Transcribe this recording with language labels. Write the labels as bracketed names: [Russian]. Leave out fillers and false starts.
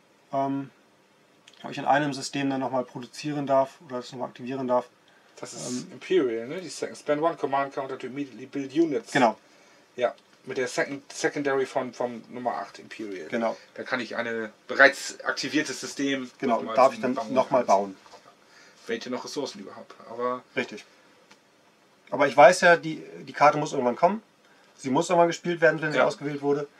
[German] Ob ich in einem System dann nochmal produzieren darf oder das nochmal aktivieren darf. Das ist Imperial, ne? Die Second. [English] Spend one Command Counter to immediately build units. [German] Genau. Ja, mit der Secondary von Nummer 8 Imperial. Genau. Da kann ich ein bereits aktiviertes System. Genau, darf ich dann nochmal bauen. Wenn ich hier noch Ressourcen überhaupt habe. Richtig. Aber ich weiß ja, die Karte muss irgendwann kommen. Sie muss irgendwann gespielt werden, wenn sie ausgewählt wurde.